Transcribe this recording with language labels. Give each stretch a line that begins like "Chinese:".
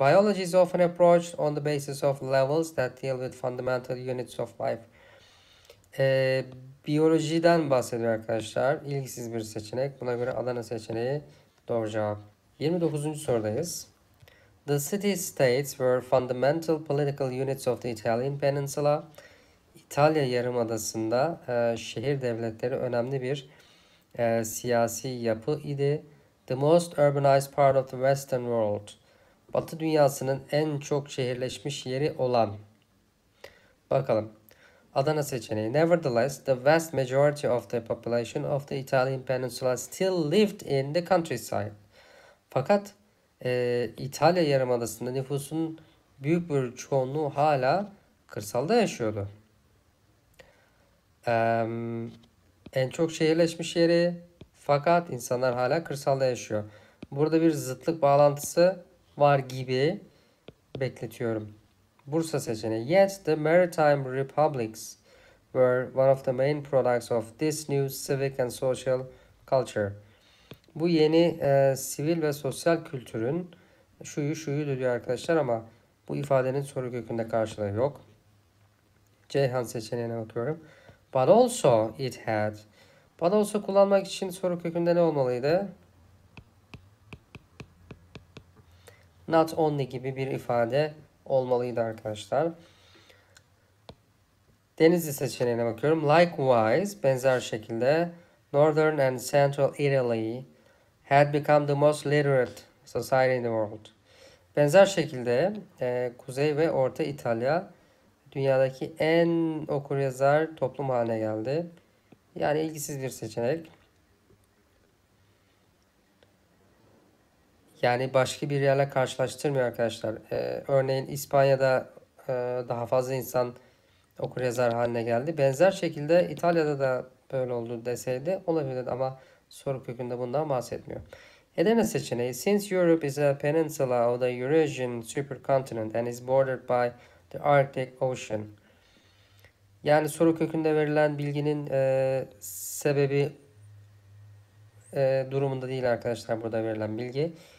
English: Biology is often approached on the basis of levels that deal with fundamental units of life.
Turkish: Biyolojiden bahsediyor arkadaşlar. İlgisiz bir seçenek. Buna göre Adana seçeneği doğru cevap. 29. sorudayız.
English: The city states were fundamental political units of the Italian peninsula.
Turkish: İtalya Yarımadası'nda şehir devletleri önemli bir siyasi yapı idi.
English: The most urbanized part of the Western world.
Turkish: Batı dünyasının en çok şehirleşmiş yeri olan. Bakalım. Adana seçeneği.
English: Nevertheless, the vast majority of the population of the Italian peninsula still lived in the countryside.
Turkish: Fakat İtalya Yarımadası'nda nüfusun büyük bir çoğunluğu hala kırsalda yaşıyordu. En çok şehirleşmiş yeri, fakat insanlar hala kırsalda yaşıyor. Burada bir zıtlık bağlantısı var gibi bekletiyorum. Bursa seçeneği.
English: Yet the maritime republics were one of the main products of this new civic and social culture.
Turkish: Bu yeni sivil ve sosyal kültürün şuyu diyor arkadaşlar, ama bu ifadenin soru kökünde karşılığı yok. Ceyhan seçeneğine bakıyorum.
English: But also it had. But also
Turkish: kullanmak için soru kökünde ne olmalıydı?
English: Not only
Turkish: gibi bir ifade olmalıydı arkadaşlar. Denizli seçeneğine bakıyorum.
English: Likewise,
Turkish: benzer şekilde
English: Northern and Central Italy had become the most literate society in the world.
Turkish: Benzer şekilde Kuzey ve Orta İtalya dünyadaki en okur yazar toplum haline geldi. Yani ilgisiz bir seçenek. Yani başka bir yerle karşılaştırmıyor arkadaşlar. Örneğin İspanya'da daha fazla insan okur yazar haline geldi. Benzer şekilde İtalya'da da böyle oldu deseydi olabilir, ama soru kökünde bundan bahsetmiyor. Edirne seçeneği.
English: Since Europe is a peninsula of the Eurasian supercontinent and is bordered by the Arctic Ocean.
Turkish: Yani soru kökünde verilen bilginin sebebi durumunda değil arkadaşlar burada verilen bilgi.